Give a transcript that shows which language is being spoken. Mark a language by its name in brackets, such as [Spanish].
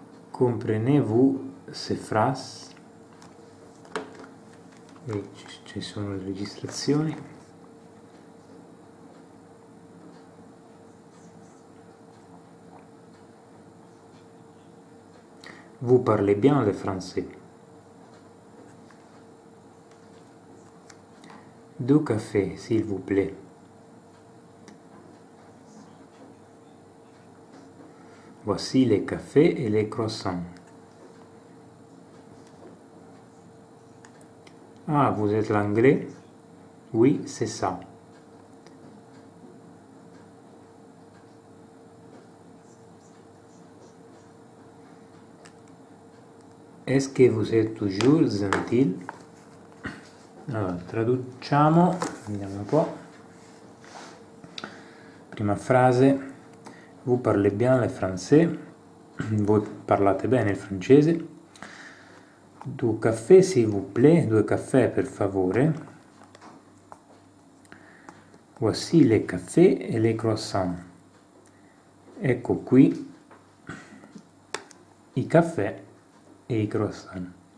[French] Comprenez-vous ces phrases? [Italian] Ci sono le registrazioni. [French] Vous parlez bien le français? Deux cafés, s'il vous plaît. Voici les cafés et les croissants. Ah, vous êtes l'anglais? Oui, c'est ça. Est-ce que vous êtes toujours gentil? [Italian] Allora, traduciamo, vediamo un po'. [French] Prima frase: Vous parlez bien le français? [Italian] Voi parlate bene il francese? [French] Deux cafés, s'il vous plaît. Due caffè, per favore. Voici les cafés et les croissants. [Italian] Ecco qui i caffè e i croissants.